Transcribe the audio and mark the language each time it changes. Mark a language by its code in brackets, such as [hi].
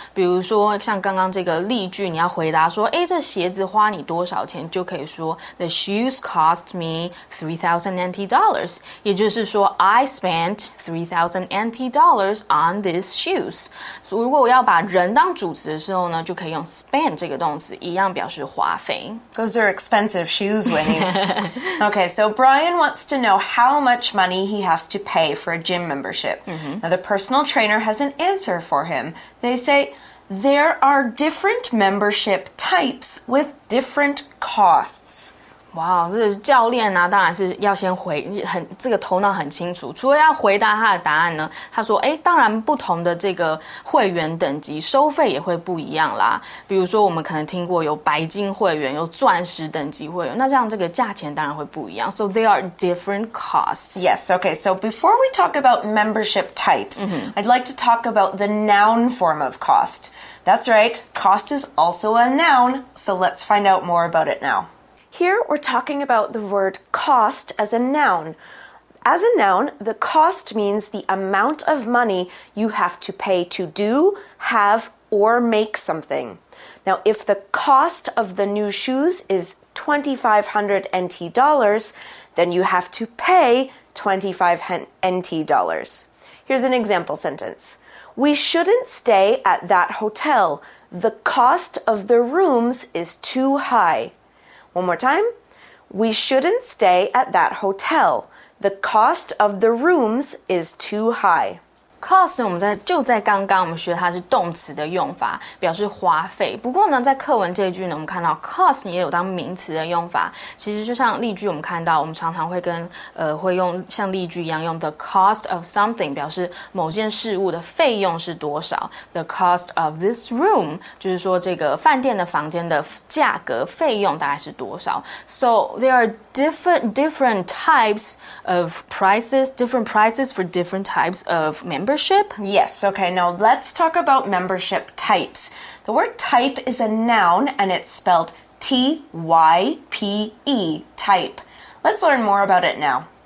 [zh] 比如说像刚刚这个例句，你要回答说，哎，这鞋子花你多少钱，就可以说 [en] the shoes cost me $3,000 [zh] 也就是说 [en] I spent $3,000 on these shoes。 [zh] 所以如果我要把人当主词的时候呢，就可以用 spend。这个动词一样表示花费。 [en] Those are expensive shoes, Winnie. Okay, so Brian wants to know how much money he has to pay for a gym membership. Mm-hmm. Now, the personal trainer has an answer for him. They say, there are different membership types with different costs. [zh] 哇、wow, 这个教练啊当然是要先回很这个头脑很清楚除了要回答他的答案呢他说诶当然不同的这个会员等级收费也会不一样啦比如说我们可能听过有白金会员有钻石等级会员那这样这个价钱当然会不一样 [en] So there are different costs Yes, okay, so before we talk about membership types、 mm-hmm. I'd like to talk about the noun form of cost That's right, cost is also a noun So let's find out more about it nowHere, we're talking about the word cost as a noun. As a noun, the cost means the amount of money you have to pay to do, have, or make something. Now, if the cost of the new shoes is $2,500 NT, then you have to pay $2,500 NT. Here's an example sentence. We shouldn't stay at that hotel. The cost of the rooms is too high. One more time. We shouldn't stay at that hotel. The cost of the rooms is too high. [zh] Cost 我们在就在刚刚我们学它是动词的用法，表示花费。不过呢，在课文这一句呢，我们看到 cost 也有当名词的用法。其实就像例句，我们看到我们常常会跟会用像例句一样用 [en] the cost of something [zh] 表示某件事物的费用是多少。 [en] The cost of this room [zh] 就是说这个饭店的房间的价格费用大概是多少。 [en] So there are different types of prices, different prices for different types of membership? Yes, okay, now let's talk about membership types. The word type is a noun and it's spelled T-Y-P-E, type. Let's learn more about it now.